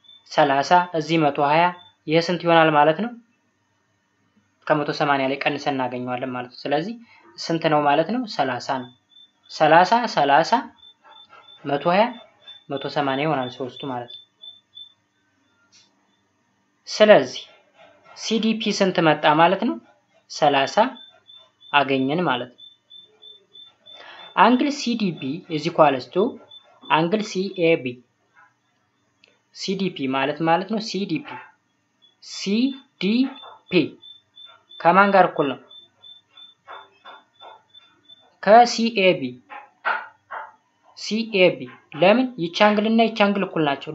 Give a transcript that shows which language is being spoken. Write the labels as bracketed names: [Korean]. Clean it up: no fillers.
[Amharic] 30 እዚህ 120 ይሄ ስንት ይሆናል ማለት ነው? ከ180 ላይ ቀንሰን እናገኛለን ማለት ነው። ስለዚህ ስንት ነው ማለት ነው? 30 ነው። 30 30 120 180 ይሆናል ሶስቱ ማለት ነው። ስለዚህ CDP ስንት መጣ ማለት ነው? 30 አገኘን ማለት ነው። [English] Angle CDB is equal to angle CAB. [Amharic] CDP ማለት ነው CDP. CDP ከማን ጋር እኩል ነው? ከCAB. CAB ለምን ይቺ አንግል እና ይቺ አንግል እኩል ናቸው?